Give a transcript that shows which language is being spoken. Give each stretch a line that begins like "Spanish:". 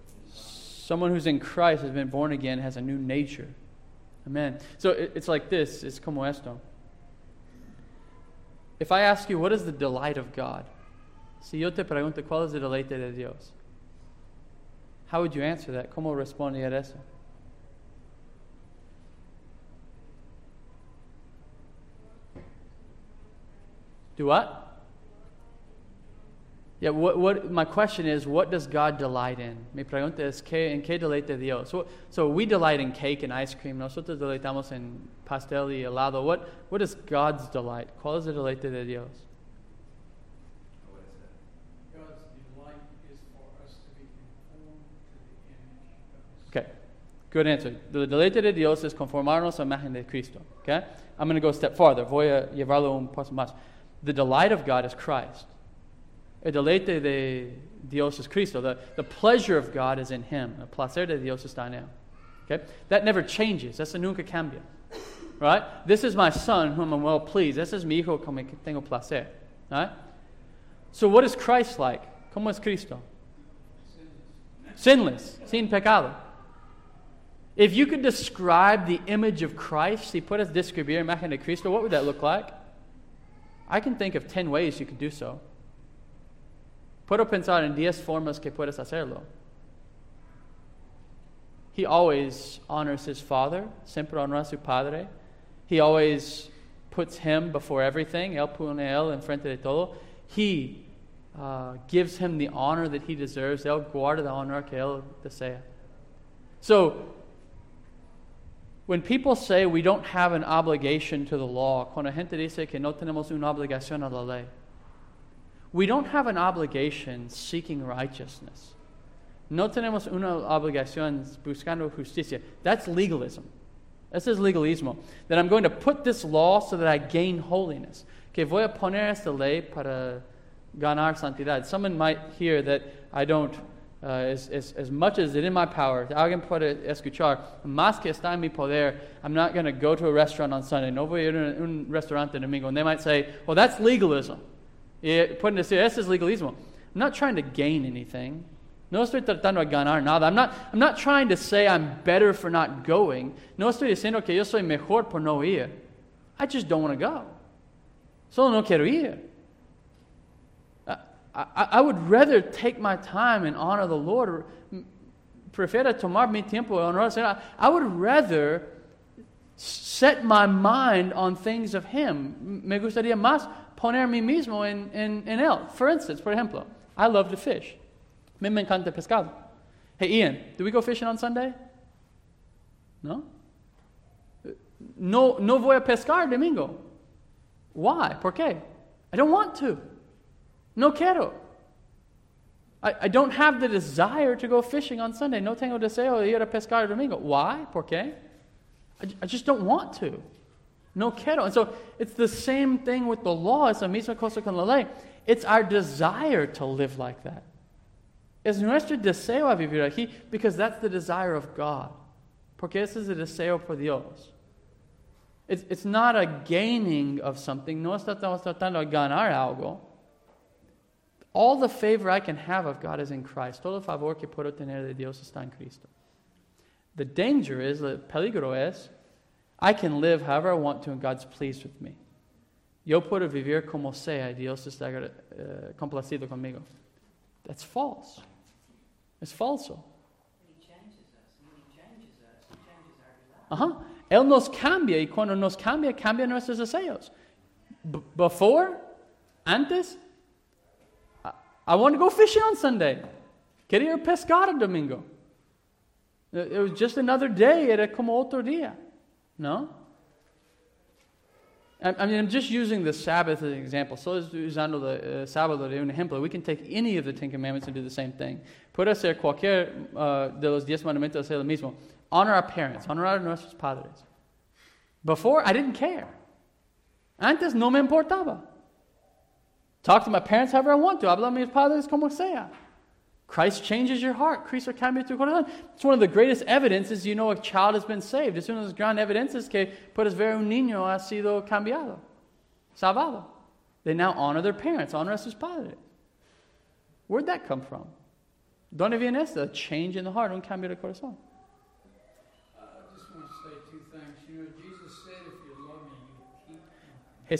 English: Someone who's in Christ has been born again, has a new nature. Amen. So it's like this, it's
Spanish: como esto.
English: If I ask you, what is the delight of God?
Spanish: Si yo te pregunto, ¿cuál es el deleite de Dios?
English: How would you answer that?
Spanish: ¿Cómo responder eso?
English: Do what? Yeah, what? My question is, what does God delight in?
Spanish: Mi pregunta es, ¿en qué deleite Dios?
English: So we delight in cake and ice cream.
Spanish: Nosotros deleitamos en pastel y helado.
English: What is God's delight?
Spanish: ¿Cuál es el deleite de Dios?
English: God's delight is for us to be conformed to the image of Jesus. Okay, good answer. The
Spanish: deleite de Dios es conformarnos a la imagen de Cristo.
English: Okay, I'm going to go a step farther.
Spanish: Voy a llevarlo un paso más.
English: The delight of God is Christ.
Spanish: El deleite de Dios es Cristo.
English: The pleasure of God is in Him.
Spanish: El placer de Dios está en Él.
English: Okay? That never changes.
Spanish: Eso nunca cambia.
English: Right? This is my son whom I'm well pleased.
Spanish: Ese es mi hijo con quien tengo placer.
English: Right? So what is Christ like?
Spanish: ¿Cómo es Cristo?
English: Sinless.
Spanish: Sin pecado.
English: If you could describe the image of Christ,
Spanish: si puedes describir imagen de Cristo,
English: what would that look like? I can think of 10 ways you could do so.
Spanish: Puedo pensar en 10 formas que puedes hacerlo.
English: He always honors his father.
Spanish: Siempre honra a su padre.
English: He always puts him before everything.
Spanish: Él pone él en frente de todo.
English: He gives him the honor that he deserves.
Spanish: Él guarda la honra que él desea.
English: So, when people say we don't have an obligation to the law,
Spanish: cuando gente dice que no tenemos una obligación a la ley,
English: we don't have an obligation seeking righteousness.
Spanish: No tenemos una obligación buscando justicia.
English: That's legalism. This is legalismo. That I'm going to put this law so that I gain holiness.
Spanish: Que voy a poner esta ley para ganar santidad.
English: Someone might hear that I don't, as much as it in my power,
Spanish: alguien puede escuchar, más que está en mi poder,
English: I'm not going to go to a restaurant on Sunday.
Spanish: No voy a ir a un restaurante domingo.
English: And they might say, well, that's legalism. Putting this here, this is legalismo. I'm not trying to gain anything.
Spanish: No estoy tratando de ganar nada.
English: I'm not trying to say I'm better for not going.
Spanish: No estoy diciendo que yo soy mejor por no ir.
English: I just don't want to go.
Spanish: Solo no quiero ir.
English: I would rather take my time and honor the Lord.
Spanish: Prefiero tomar mi tiempo y honrar al Señor.
English: I would rather set my mind on things of Him.
Spanish: Me gustaría más poner mi mismo en él.
English: For instance,
Spanish: por ejemplo,
English: I love to fish.
Spanish: Me encanta el pescado.
English: Hey, Ian, do we go fishing on Sunday? No?
Spanish: No, no voy a pescar domingo.
English: Why?
Spanish: ¿Por qué?
English: I don't want to.
Spanish: No quiero.
English: I don't have the desire to go fishing on Sunday.
Spanish: No tengo deseo de ir a pescar domingo.
English: Why?
Spanish: ¿Por qué?
English: I just don't want to.
Spanish: No quiero.
English: And so it's the same thing with the law. It's
Spanish: la misma cosa con la ley.
English: It's our desire to live like that.
Spanish: Es nuestro deseo a vivir aquí
English: because that's the desire of God.
Spanish: Porque ese es el deseo por Dios.
English: It's not a gaining of something.
Spanish: No estamos tratando de ganar algo.
English: All the favor I can have of God is in Christ.
Spanish: Todo el favor que puedo tener de Dios está en Cristo.
English: The danger is,
Spanish: the peligro es,
English: I can live however I want to and God's pleased with me.
Spanish: Yo puedo vivir como sea y Dios está complacido conmigo.
English: That's false. It's falso. But he changes us.
Spanish: Él nos cambia y cuando nos cambia, cambia nuestros deseos.
English: Before?
Spanish: Antes?
English: I want to go fishing on Sunday.
Spanish: Quería ir a pescar el domingo.
English: It was just another day.
Spanish: Era como otro día. No?
English: I mean, I'm just using the Sabbath as an example. So is
Spanish: usando the sábado de un ejemplo.
English: We can take any of the Ten Commandments and do the same thing.
Spanish: Puede hacer cualquier de los diez mandamientos hacer lo mismo.
English: Honor our parents.
Spanish: Honor a nuestros padres.
English: Before, I didn't care.
Spanish: Antes, no me importaba.
English: Talk to my parents however I want to.
Spanish: Habla a mis padres como sea.
English: Christ changes your heart.
Spanish: Cristo cambia tu corazón.
English: It's one of the greatest evidences you know a child has been saved.
Spanish: Es una de las grandes evidencias que puedes ver un niño ha sido cambiado. Salvado.
English: They now honor their parents.
Spanish: Honor a sus padres.
English: Where'd that come from?
Spanish: ¿Dónde viene esto?
English: A change in the heart.
Spanish: Un cambio de corazón.
English: I just want to say two things. You know, Jesus said, if you love me, you keep.